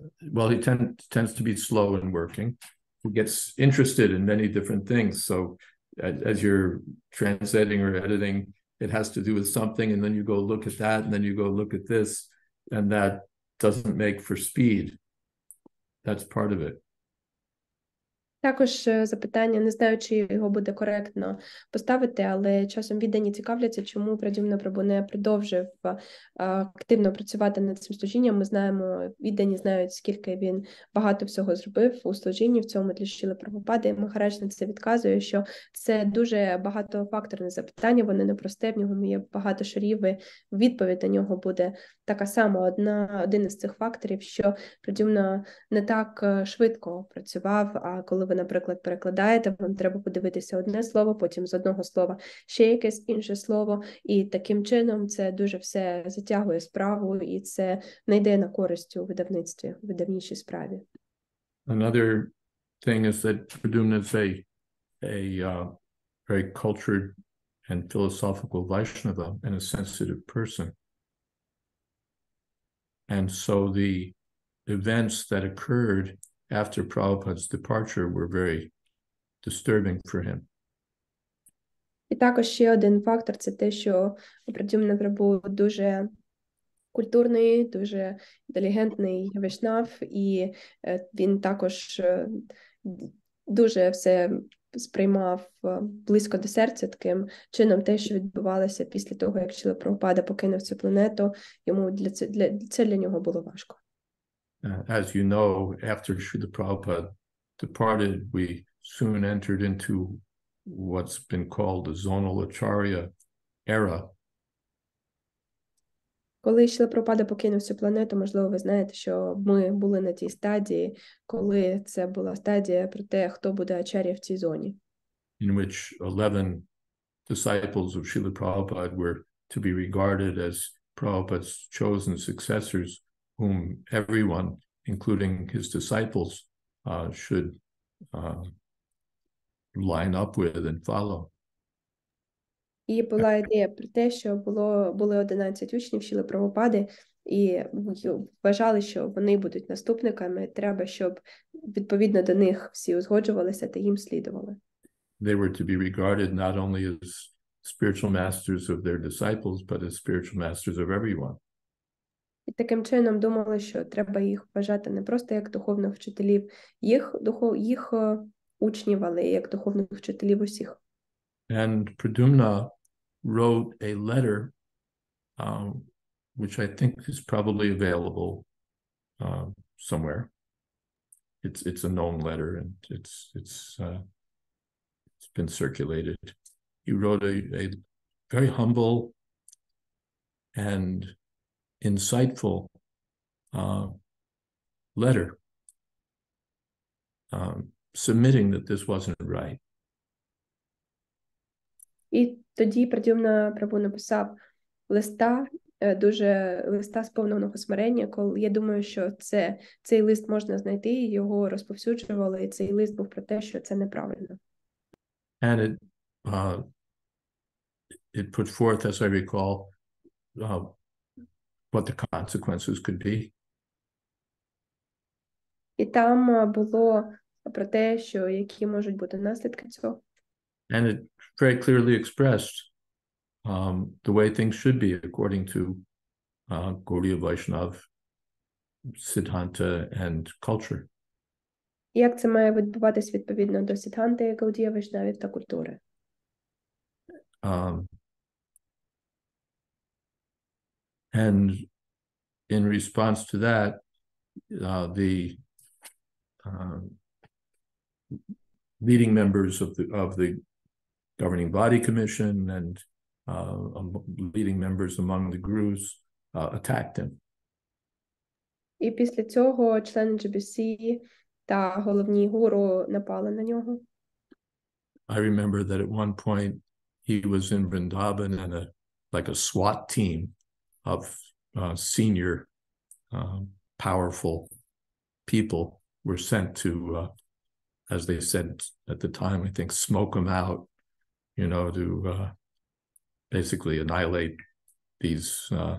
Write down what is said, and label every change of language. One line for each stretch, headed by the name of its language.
English: Well, he tends to be slow in working. He gets interested in many different things. So as you're translating or editing, it has to do with something, and then you go look at that, and then you go look at this, and that doesn't make for speed. That's part of it.
Ukrainian: Також запитання, не знаю, чи його буде коректно поставити, але часом віддані цікавляться, чому Прадюмна Прабу не продовжив активно працювати над цим служінням. Ми знаємо, віддані знають, скільки він багато всього зробив у служінні, в цьому для Шріли Прабхупади. Махарадж на це відказує, що це дуже багатофакторне запитання, воно непросте, в нього є багато шарів, відповідь на нього буде така сама. Один із цих факторів, що Прадюмна не так швидко працював, а коли ви, наприклад, перекладаєте, вам треба подивитися одне слово, потім з одного слова ще якесь інше слово, і таким чином це дуже все затягує справу, і це не йде на користь у видавництві, у видавничій справі.
English: Another thing is that Pradyumna is very cultured and philosophical Vaishnava and a sensitive person. And so the events that occurred after Prabhupada's departure were very disturbing for him.
Ukrainian: І також ще один фактор це те, що Прадюмна Прабу дуже культурний, дуже інтелігентний вайшнав, і він також дуже все сприймав близько до серця таким чином те, що відбувалося після того, як Шріла Прабхупада покинув цю планету, йому для нього було важко.
English: As you know, after Srila Prabhupada departed, we soon entered into what's been called the zonal acharya era.
Ukrainian: Коли Шріла Прабхупада покинув цю планету, можливо, ви знаєте, що ми були на тій стадії, коли це була стадія про те, хто буде ачарія в цій зоні.
English: In which 11 disciples of Srila Prabhupada were to be regarded as Prabhupada's chosen successors, whom everyone, including his disciples, should line up with and follow.
Ukrainian: І була ідея про те, що були 11 учнів Шріли Прабхупади, і вважали, що вони будуть наступниками, треба, щоб відповідно до них всі узгоджувалися та їм слідували.
English: They were to be regarded not only as spiritual masters of their disciples, but as spiritual masters of everyone.
Ukrainian: І таким чином думали, що треба їх вважати не просто як духовних вчителів їх учнів, але як духовних вчителів усіх.
English: And Pradyumna wrote a letter, which I think is probably available somewhere. It's a known letter, and it's been circulated. He wrote a very humble and insightful letter, submitting that this wasn't right.
Ukrainian: І тоді Прадюмна Прабу написав листа сповненого смирення, коли я думаю, що цей лист можна знайти, його розповсюджували, і цей лист був про те, що це неправильно.
English: And it put forth, as I recall, what the consequences could be.
Ukrainian: І там було про те, що які можуть бути наслідки цього.
English: And it very clearly expressed the way things should be according to Gaudiya Vaishnav Siddhanta and culture.
Ukrainian: Як це має відбуватись відповідно до Сіддханти, Гаудія Вайшнавів та культури?
English: And in response to that, the leading members of the governing body commission and leading members among the gurus attacked him.
Ukrainian: І після цього члени GBC та головні гуру напали на нього.
English: I remember that at one point he was in Vrindavan and a SWAT team of senior powerful people were sent to as they said at the time, I think, smoke him out, you know, to basically annihilate these